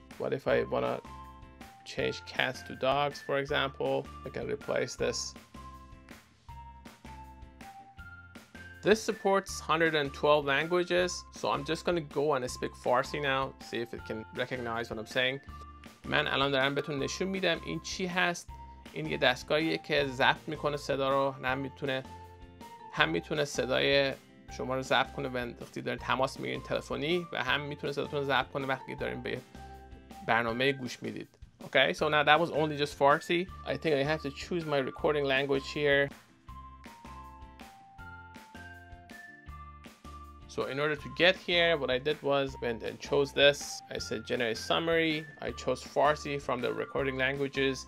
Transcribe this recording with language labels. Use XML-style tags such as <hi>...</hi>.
<en>What if I wanna change cats to dogs, for example? I can replace this. This supports 112 languages, so I'm just gonna go and speak Farsi now, see if it can recognize what I'm saying.</en> <fa>من الان دارم بهتون نشون میدم این چی هست. این یه دستگاهیه که ضبط میکنه صدا رو، هم میتونه صدای شما رو ضبط کنه وقتی دارین تماس میگیرین تلفنی، و هم میتونه صداتون رو ضبط کنه وقتی دارین به برنامه گوش میدید.</fa> <en>Okay, so now that was only just Farsi. I think I have to choose my recording language here. So in order to get here, what I did was went and chose this. I said generate summary. I chose Farsi from the recording languages.</en>